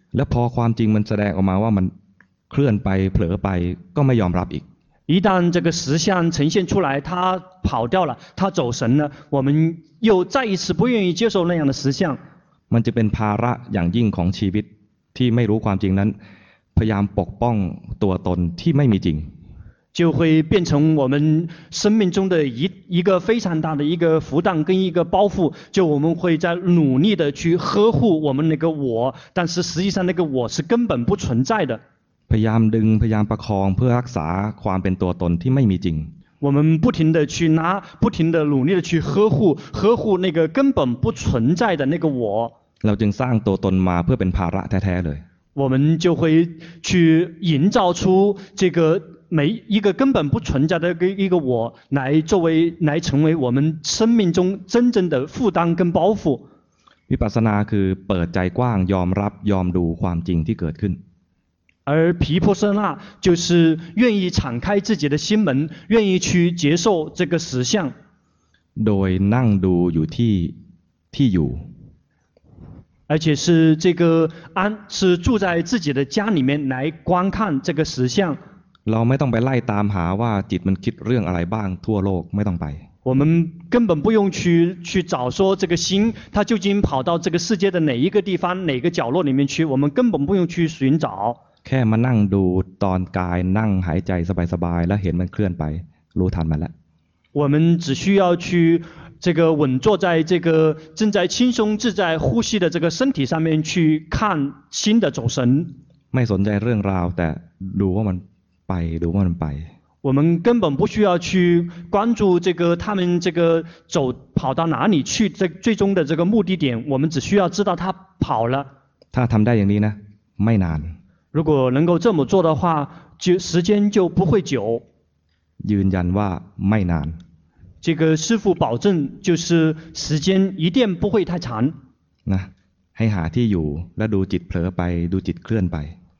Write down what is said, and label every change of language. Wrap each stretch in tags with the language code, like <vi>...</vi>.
<th>แล้วพอความจริงมันแสดงออกมาว่ามันเคลื่อนไปเผลอไปก็ไม่ยอมรับอีก。</th> <zh>一旦这个实相呈现出来，他跑掉了，他走神了，我们又再一次不愿意接受那样的实相。</zh> <th>มันจะเป็นภาระอย่างยิ่งของชีวิตที่ไม่รู้ความจริงนั้นพยายามปกป้องตัวตนที่ไม่มีจริง</th> <zh>就会变成我们生命中的一个非常大的一个负担跟一个包袱就我们会在努力的去呵护我们那个我但是实际上那个我是根本不存在的</zh> <th>พยายามดึงพยายามประคองเพื่อรักษาความเป็นตัวตนที่ไม่มีจริง</th> <zh>我们不停的去拿不停的努力的去呵护那个根本不存在的那个我</zh> <th>เราจึงสร้างตัวตนมาเพื่อเป็นภาระแท้ๆเลย</th> <zh>我们就会去营造出这个每一个根本不存在的一个我来成为我们生命中真正的负担跟包袱</zh> <th>วิปัสสนาคือเปิดใจกว้างยอมรับยอมดูความจริงที่เกิดขึ้น</th> <zh>而毗婆舍那就是愿意敞开自己的心门愿意去接受这个实相</zh> <th>โดยนั่งดูอยู่ที่อยู่</th> <zh>而且是这个安是住在自己的家里面来观看这个实相</zh> <th>เราไม่ต้องไปไล่ตามหาว่าจิตมันคิดเรื่องอะไรบ้างทั่วโลกไม่ต้องไป</th> <zh>我们根本不用去找说这个心它究竟跑到这个世界的哪一个地方哪个角落里面去我们根本不用去寻找</zh> <th>แค่มานั่งดูตอนกายนั่งหายใจสบายๆแล้วเห็นมันเคลื่อนไปรู้ทันมันแล้ว</th> <zh>我们只需要去这个稳坐在这个正在轻松自在呼吸的这个身体上面去看心的走神</zh> <th>ไม่สนใจเรื่องราวแต่ดูว่ามันไปดูว่ามันไป</th> <zh>我们根本不需要去关注这个他们这个走跑到哪里去这最终的这个目的点我们只需要知道他跑了</zh> <th>ถ้าทำได้อย่างนี้นะไม่นาน</th> <zh>如果能够这么做的话就时间就不会久</zh> <th>ยืนยันว่าไม่นาน</th> <zh>这个师父保证就是时间一定不会太长</zh> <th>นะให้หาที่อยู่แล้วดูจิตเผลอไปดูจิตเคลื่อนไป</th>